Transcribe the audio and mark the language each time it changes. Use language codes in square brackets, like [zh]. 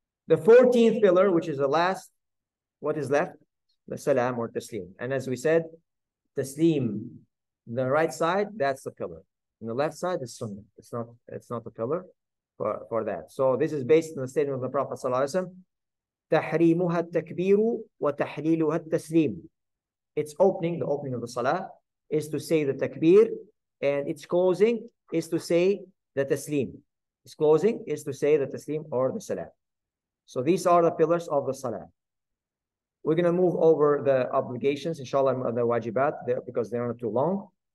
[en] The 14th pillar, which is the last, what is left? The salam or taslim. And as we said, taslim, the right side, that's the pillar. And the left side is sunnah. It's not a pillar for that. So this is based on the statement of the Prophet sallallahu alaihi wasallam. [ar] تحريمها التكبير وتحليلها التسليم. [en] It's opening, the opening of the salah is to say the takbir, and its closing is to say the taslim. Its closing is to say the taslim or the salah. So these are the pillars of the salah. We're going to move over the obligations, inshallah, the wajibat, because they're not too long.